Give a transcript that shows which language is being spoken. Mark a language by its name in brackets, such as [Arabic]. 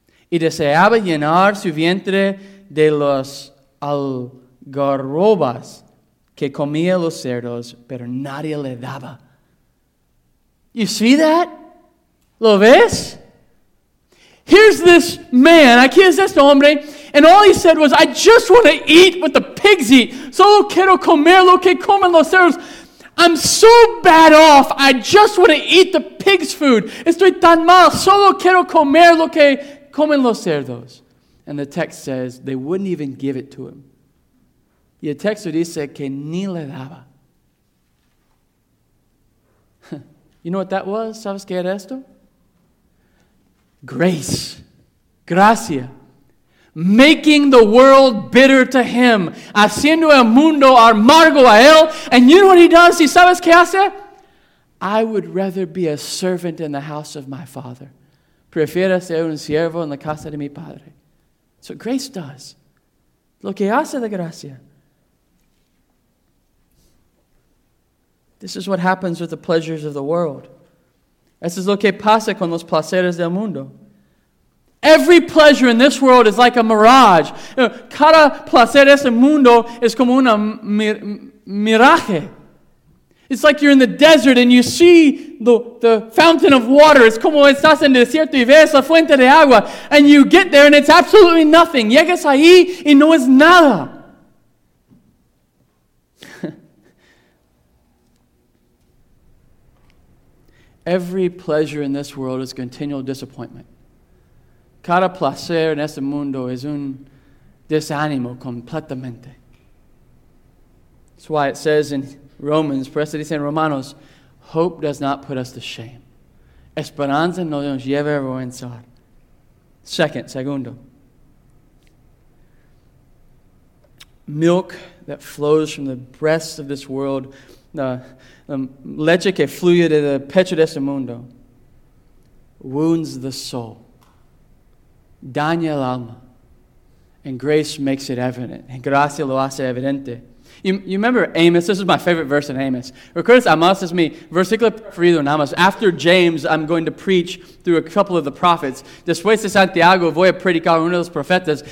[Spanish] Y deseaba llenar su vientre de las algarrobas que comía los cerdos, pero nadie le daba. [English] You see that? [Spanish] ¿Lo ves? [English] Here's this man, [Spanish] aquí es este hombre, [English] and all he said was, I just want to eat what the pigs eat. [Spanish] Solo quiero comer lo que comen los cerdos. [English] I'm so bad off, I just want to eat the pig's food. [Spanish] Estoy tan mal, solo quiero comer lo que comen los cerdos. [English] And the text says, they wouldn't even give it to him. [Spanish] Y el texto dice que ni le daba. [English] You know what that was? [Spanish] ¿Sabes qué era esto? [English] Grace, gracia, making the world bitter to him, [Spanish] haciendo el mundo amargo a él. [English] And you know what he does? [Spanish] ¿Y sabes qué hace? [English] I would rather be a servant in the house of my father. [Spanish] Prefiero ser un siervo en la casa de mi padre. [English] That's what grace does. [Spanish] Lo que hace la gracia. [English] This is what happens with the pleasures of the world. [Spanish] Eso es lo que pasa con los placeres del mundo. [English] Every pleasure in this world is like a mirage. [Spanish] Cada placer de este mundo es como un miraje. [English] It's like you're in the desert and you see the fountain of water. [Spanish] Es como estás en desierto y ves la fuente de agua. [English] And you get there and it's absolutely nothing. [Spanish] Llegas ahí y no es nada. [English] Every pleasure in this world is continual disappointment. [Spanish] Cada placer en este mundo es un desánimo completamente. [English] That's why it says in Romans, [Spanish] por eso dice en Romanos, [English] hope does not put us to shame. [Spanish] Esperanza no nos lleva a avergonzar. Segundo. [English] Milk that flows from the breasts of this world, the [Spanish] leche que fluye de el pecho de este mundo, [English] wounds the soul. [Spanish] Daña el alma. [English] And grace makes it evident. [Spanish] And gracia lo hace evidente. [English] You remember Amos? This is my favorite verse in Amos. [Spanish] Recuerdas Amos? Es mi versículo preferido en Amos. [English] After James, I'm going to preach through a couple of the prophets. [Spanish] Después de Santiago, voy a predicar uno de los profetas.